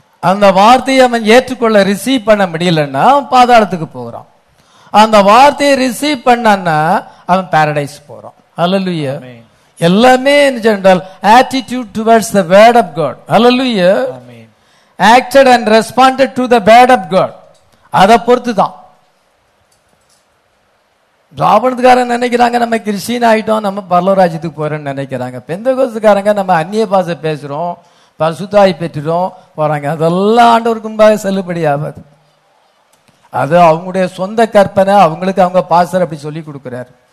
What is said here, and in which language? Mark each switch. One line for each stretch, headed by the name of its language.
Tamil: அந்த வார்த்தையை அவன் ஏற்றுக்கொள்ள ரிசீவ் பண்ண முடியலன்னா அவன் பாதாளத்துக்கு போகிறான். அந்த வார்த்தையை ரிசீவ் பண்ணான்னா அவன் பாரடைஸ் போறான். ஹல்லேலூயா. எல்லாமே
English: In general attitude towards the word of God. Hallelujah. Acted and responded to the word of God.
Tamil: அதை பொறுத்து தான் ஜாபனத்துக்காரன் நினைக்கிறாங்க நம்ம கிறிஸ்டியன் ஆகிட்டோம், நம்ம பரலோராஜ்யத்துக்கு போறோம்னு நினைக்கிறாங்க. பெந்தகோஸ்துக்காரங்க நம்ம அந்நிய பாசை பேசுறோம், பரிசுத்தாய் பெற்றுறோம் போறாங்க. அதெல்லாம் ஆண்டவருக்கு முன்பாக செல்லுபடி ஆகாது. அது அவங்களுடைய சொந்த கற்பனை, அவங்களுக்கு அவங்க பாஸ்டர் அப்படி சொல்லி கொடுக்குறாரு.